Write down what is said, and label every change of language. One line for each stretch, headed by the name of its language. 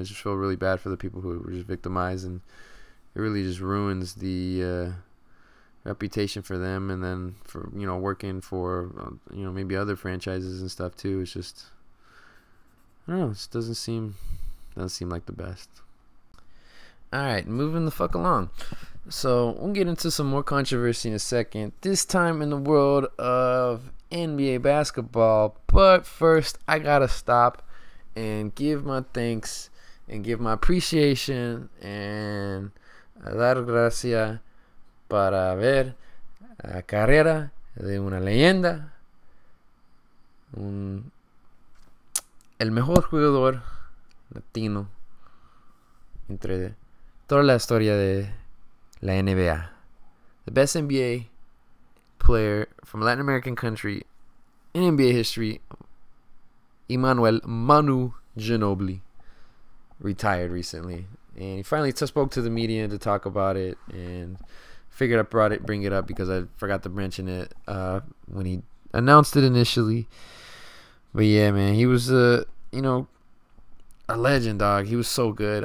English: It just feels really bad for the people who were just victimized, and it really just ruins the reputation for them, and then for, you know, working for, you know, maybe other franchises and stuff too. It's just, I don't know, it just doesn't seem like the best. All right, moving the fuck along. So we'll get into some more controversy in a second, this time in the world of NBA basketball. But first, I gotta stop and give my thanks and give my appreciation and
Spanish: dar gracias para ver la carrera de una leyenda, el mejor jugador latino entre toda la historia de la NBA.
English: The best NBA player from Latin American country in NBA history, Emmanuel Manu Ginobili, retired recently. And he finally spoke to the media to talk about it, and figured I brought it, bring it up, because I forgot to mention it when he announced it initially. But yeah, man, he was, you know, a legend, dog. He was so good.